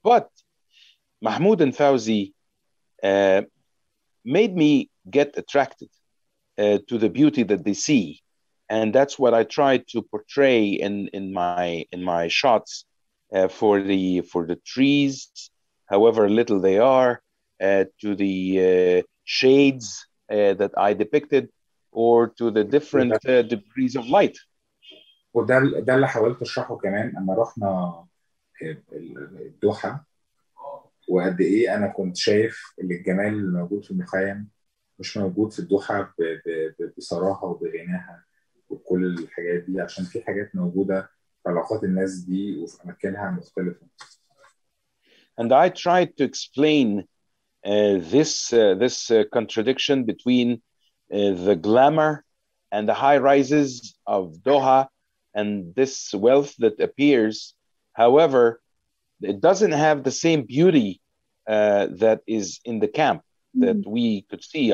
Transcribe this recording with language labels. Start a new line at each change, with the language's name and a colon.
English: But Mahmoud and Fawzi made me get attracted to the beauty that they see, and that's what I tried to portray in my shots for the trees, however little they are, to the shades that I depicted, or to the different degrees of light.
Arabic: وده اللي حاولت اشرحه كمان لما رحنا الدوحة، وقد ايه انا كنت شايف الجمال الموجود في المخيم مش موجود في الدوحة بصراحة وبغناها وكل الحاجات دي، عشان في حاجات موجودة في علاقات الناس دي وفي أماكنها مختلفة.
English: And I tried to explain this contradiction between the glamour and the high rises of Doha and this wealth that appears. However, it doesn't have the same beauty that is in the camp that we could see.